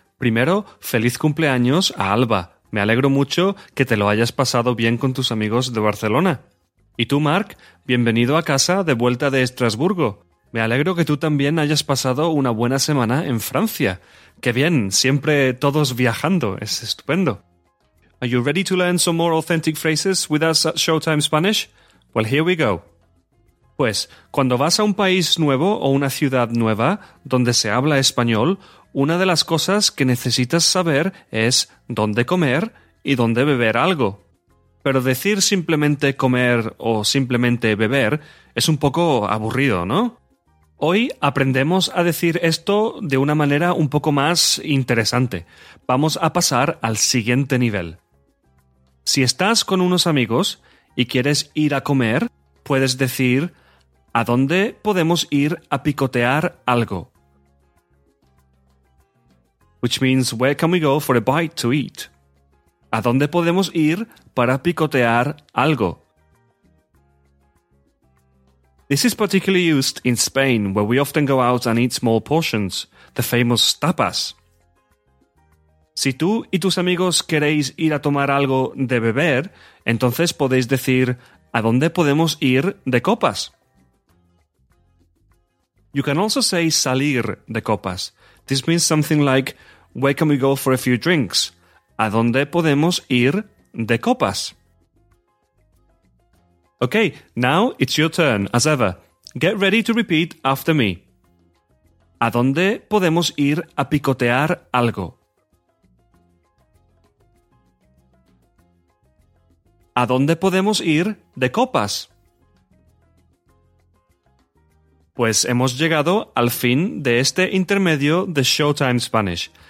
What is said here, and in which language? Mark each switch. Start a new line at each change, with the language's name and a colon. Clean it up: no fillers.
Spanish: Primero, feliz cumpleaños a Alba. Me alegro mucho que te lo hayas pasado bien con tus amigos de Barcelona. Y tú, Marc, bienvenido a casa de vuelta de Estrasburgo. Me alegro que tú también hayas pasado una buena semana en Francia. ¡Qué bien! Siempre todos viajando. Es estupendo.
English: Are you ready to learn some more authentic phrases with us at Showtime Spanish? Well, here we go.
Spanish: Pues, cuando vas a un país nuevo o una ciudad nueva donde se habla español, una de las cosas que necesitas saber es dónde comer y dónde beber algo. Pero decir simplemente comer o simplemente beber es un poco aburrido, ¿no? Hoy aprendemos a decir esto de una manera un poco más interesante. Vamos a pasar al siguiente nivel. Si estás con unos amigos y quieres ir a comer, puedes decir ¿a dónde podemos ir a picotear algo?
English: Which means, where can we go for a bite to eat?
Spanish: ¿A dónde podemos ir para picotear algo?
English: This is particularly used in Spain, where we often go out and eat small portions, the famous tapas.
Spanish: Si tú y tus amigos queréis ir a tomar algo de beber, entonces podéis decir, ¿a dónde podemos ir de copas?
English: You can also say
Spanish: salir de copas.
English: This means something like, where can we go for a few drinks?
Spanish: ¿A dónde podemos ir de copas?
English: Okay, now it's your turn, as ever. Get ready to repeat after me.
Spanish: ¿A dónde podemos ir a picotear algo? ¿A dónde podemos ir de copas? Pues hemos llegado al fin de este intermedio de Showtime Spanish.